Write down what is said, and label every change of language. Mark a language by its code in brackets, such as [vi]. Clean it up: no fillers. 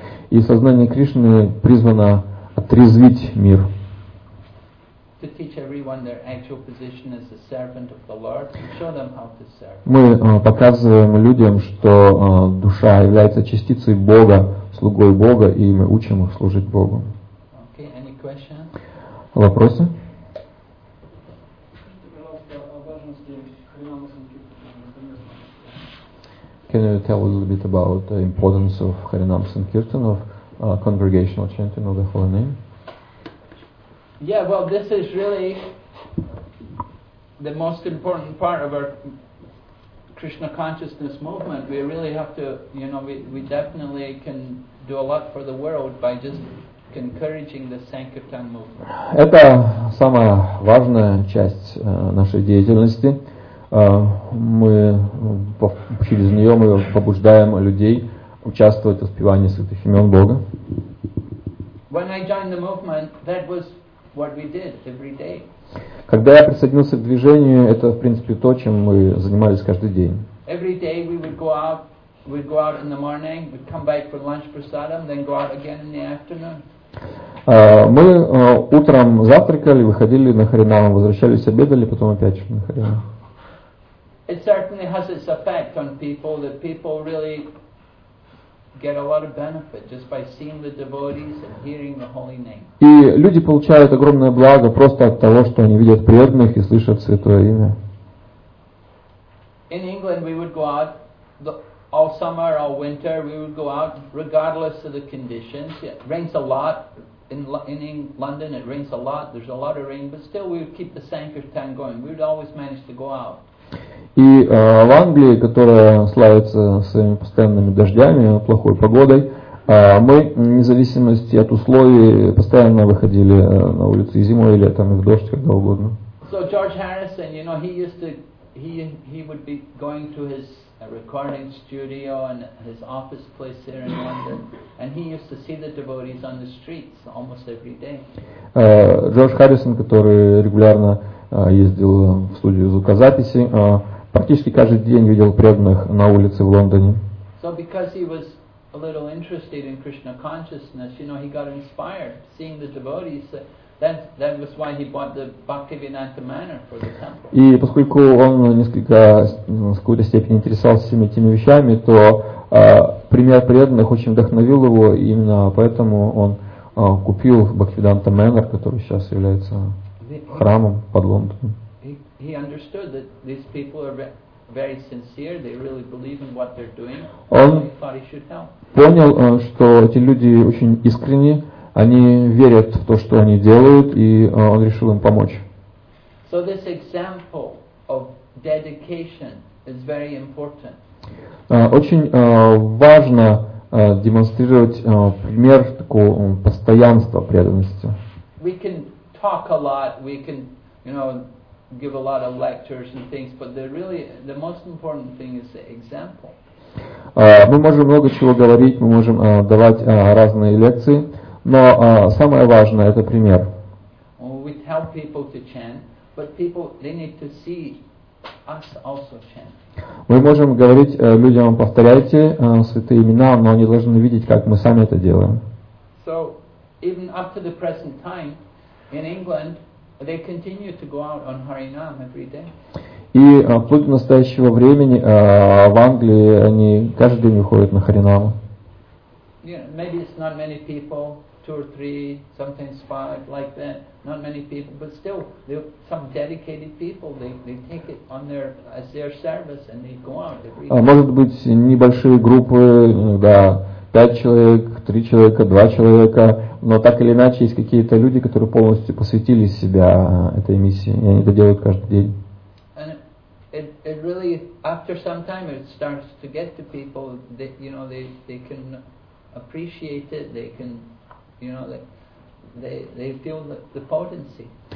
[ru] И сознание Кришны призвано отрезвить мир. [en] To teach everyone their actual position as a servant of the Lord, show them how to serve. [ru] Мы показываем людям, что душа является частицей Бога, слугой Бога, и мы учим их служить Богу. [en] Okay, any questions? [ru] Вопросы? [en] Can you tell us a little bit about the importance of Harinam Sankirtan, of congregational chanting of the Holy Name? Yeah, well, this is really the most important part of our Krishna consciousness movement. We really have to, you know, we definitely can do a lot for the world by just encouraging the Sankirtan movement. [ru] Это самая важная часть нашей деятельности. Мы через нее мы побуждаем людей участвовать в воспевании святых имен Бога. [en] When I joined the movement, that was what we did every day. [ru] Когда я присоединился к движению, это, в принципе, то, чем мы занимались каждый день. [en] Every day we would go out, in the morning, we'd come back for lunch prasadam, then go out again in the afternoon. [ru] Мы утром завтракали, выходили на харинам, возвращались, обедали, потом опять на харинам. [en] It certainly has its effect on people, that people really get a lot of benefit just by seeing the devotees and hearing the holy name. [ru] И люди получают огромное благо просто от того, что они видят преданных и слышат святое имя. [en] In England we would go out all summer, all winter, we would go out regardless of the conditions. It rains a lot in London, it rains a lot, there's a lot of rain, but still we would keep the Sankirtan going. We would always manage to go out. [ru] И в Англии, которая славится своими постоянными дождями, плохой погодой, мы, вне зависимости от условий, постоянно выходили на улицы зимой или летом, и в дождь, когда угодно. [en] So George Harrison, you know, he would be going to his recording studio and his office place here in London, and he used to see the devotees on the streets almost every day. [ru] Джордж Харрисон, который регулярно ездил в студию звукозаписи, практически каждый день видел преданных на улице в Лондоне. [en] So because he was a little interested in Krishna consciousness, you know, he got inspired seeing the devotees. So that was why he bought the Bhaktivinoda Manor for the temple. [ru] И поскольку он несколько в какой-то степени интересовался всеми этими вещами, то пример преданных очень вдохновил его, и именно поэтому он купил Bhaktivinoda Manor, который сейчас является храмом под Лондоном. [en] He understood that these people are very sincere, they really believe in what they're doing, and he thought he should help. [ru] Понял, что эти люди очень искренни, они верят в то, что они делают, и он решил им помочь. [en] So this example of dedication is very important. [ru] Очень важно демонстрировать пример такого постоянства преданности. [en] We can talk a lot, we can, you know, give a lot of lectures and things, but the most important thing is the example. [ru] Мы можем много чего говорить, мы можем давать разные лекции, но самое важное — это пример. [en] Well, we tell people to chant, but people, they need to see us also chant. [ru] Мы можем говорить людям, повторяйте святые имена, но они должны видеть, как мы сами это делаем. [en] So, even up to the present time, in England, they continue to go out on Harinam every day. [ru] И вплоть до настоящего времени в Англии они каждый день выходят на Харинам. [en] Maybe it's not many people, two or three, sometimes five, like that. Not many people, but still, some dedicated people, they take it on their as their service and they go out every day. [ru] Может быть небольшие группы, да. 5 человек, 3 человека, 2 человека, но так или иначе есть какие-то люди, которые полностью посвятили себя этой миссии, и они это делают каждый день. [en] it really, after some time, it starts to get to people that, you know, they can appreciate it, they can, you know, they feel the potency.